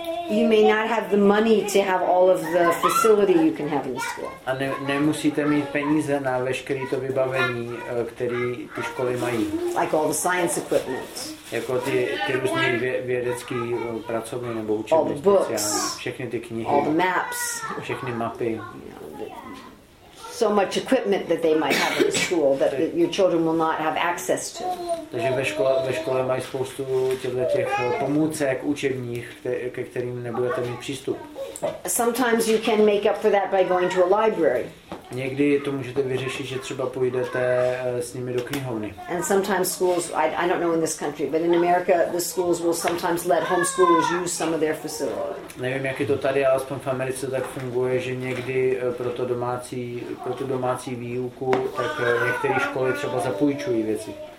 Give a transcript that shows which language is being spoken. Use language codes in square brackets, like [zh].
[en] You may not have the money to have all of the facility you can have in the school. [cs] A nemusíte mít peníze na veškeré to vybavení, které ty školy mají. [en] Like all the science equipment. [cs] Jako ty různé vědecké pracovny nebo učební speciály. [en] All the books. [cs] Všechny ty knihy. [en] All the maps. [cs] Všechny mapy. [en] So much equipment that they might have in the school that your children will not have access to. [cs] Takže ve škole mají spoustu těch pomůcek učebních, ke kterým nebudete mít přístup. [en] Sometimes you can make up for that by going to a library. [cs] Někdy to můžete vyřešit, že třeba půjdete s nimi do knihovny. [en] And sometimes schools, I don't know in this country, but in America the schools will sometimes let homeschoolers use some of their facility. [cs] Nevím, jak je to tady, ale aspoň v Americe tak funguje, že někdy pro tu domácí výuku, tak některé školy třeba zapůjčují věci.